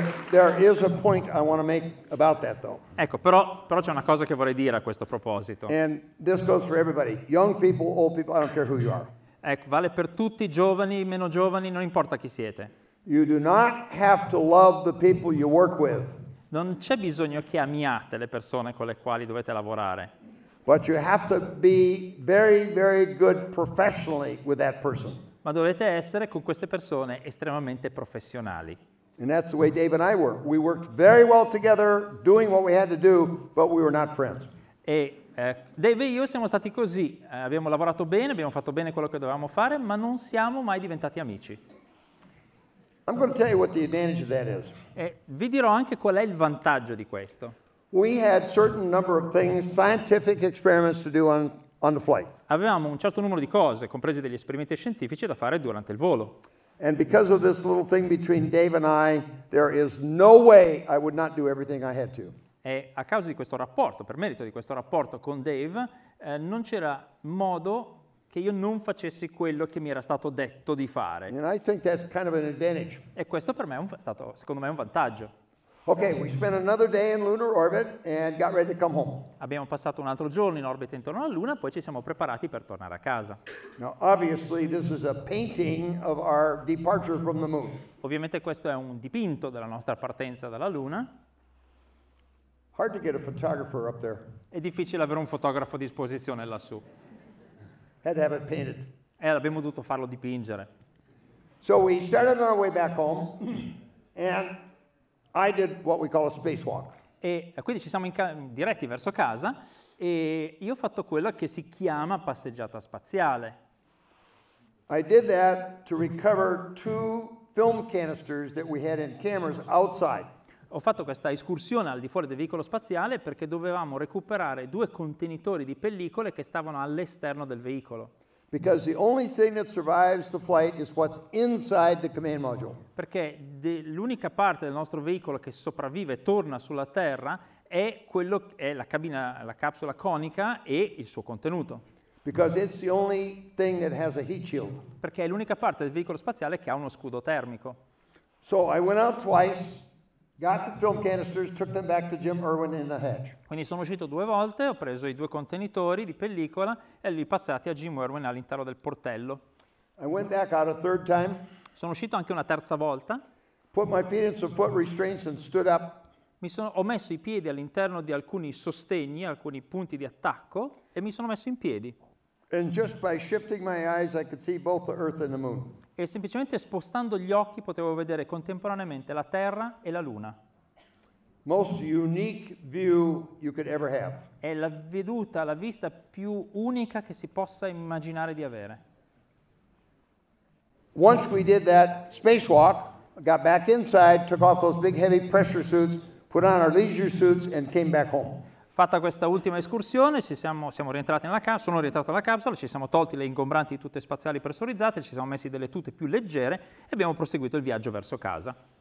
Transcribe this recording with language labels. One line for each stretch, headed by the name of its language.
English: There is a point I want to make about that, though.
Italian: Ecco, però c'è una cosa che vorrei dire a questo proposito.
English: And this goes for everybody, young people, old people. I don't care who you are.
Italian: Ecco, vale per tutti, giovani, meno giovani, non importa chi siete.
English: You do not have to love the people you work with.
Italian: Non c'è bisogno che amiate le persone con le quali dovete lavorare.
English: But you have to be very, very good professionally with that person.
Italian: Ma dovete essere con queste persone estremamente professionali.
English: And that's the way Dave and I were. We worked very well together, doing what we had to do, but we were not friends.
Italian: Dave e io siamo stati così. Abbiamo lavorato bene, abbiamo fatto bene quello che dovevamo fare, ma non siamo mai diventati amici.
English: I'm going to tell you what the advantage of that is.
Italian: Vi dirò anche qual è il vantaggio di questo.
English: We had certain number of things, scientific experiments to do on the flight.
Italian: Avevamo un certo numero di cose, compresi degli esperimenti scientifici da fare durante il volo.
English: And because of this little thing between Dave and I, there is no way I would not do everything I had to.
Italian: E a causa di questo rapporto, per merito di questo rapporto con Dave, non c'era modo che io non facessi quello che mi era stato detto di fare.
English: And I think that's kind of an advantage.
Italian: E questo per me è stato, secondo me, un vantaggio.
English: Okay, we spent another day in lunar orbit and got ready to come home.
Italian: Abbiamo passato un altro giorno in orbita intorno alla Luna, poi ci siamo preparati per tornare a casa.
English: Now, obviously, this is a painting of our departure from the moon.
Italian: Ovviamente questo è un dipinto della nostra partenza dalla Luna.
English: Hard to get a photographer up there.
Italian: È difficile avere un fotografo a disposizione lassù.
English: Had to have it painted.
Italian: Abbiamo dovuto farlo dipingere.
English: So we started on our way back home and I did what we call a spacewalk.
Italian: E quindi ci siamo diretti verso casa e io ho fatto quello che si chiama passeggiata spaziale.
English: I did that to recover 2 film canisters that we had in cameras outside.
Italian: Ho fatto questa escursione al di fuori del veicolo spaziale perché dovevamo recuperare 2 contenitori di pellicole che stavano all'esterno del veicolo.
English: Because the only thing that survives the flight is what's inside the command module.
Italian: Perché l'unica parte del nostro veicolo che sopravvive e torna sulla Terra è quello è la cabina, la capsula conica e il suo contenuto.
English: Because it's the only thing that has a heat shield.
Italian: Perché è l'unica parte del veicolo spaziale che ha uno scudo termico.
English: So I went out twice, got the film canisters, took them back to Jim Irwin in the hedge.
Italian: Quindi sono uscito 2 volte, ho preso i 2 contenitori di pellicola e li passati a Jim Irwin all'interno del portello.
English: I went back out a third time.
Italian: Sono uscito anche una terza volta.
English: Put my feet in some foot restraints and stood up.
Italian: Ho messo i piedi all'interno di alcuni sostegni, alcuni punti di attacco e mi sono messo in piedi.
English: And just by shifting my eyes I could see both the Earth and the Moon.
Italian: E semplicemente spostando gli occhi potevo vedere contemporaneamente la Terra e la Luna.
English: Most unique view you could ever have.
Italian: È la veduta, la vista più unica che si possa immaginare di avere.
English: Once we did that spacewalk, got back inside, took off those big heavy pressure suits, put on our leisure suits and came back home.
Italian: Fatta questa ultima escursione, siamo rientrati nella capsula, sono rientrato nella capsula, ci siamo tolti le ingombranti tute spaziali pressurizzate, ci siamo messi delle tute più leggere e abbiamo proseguito il viaggio verso casa.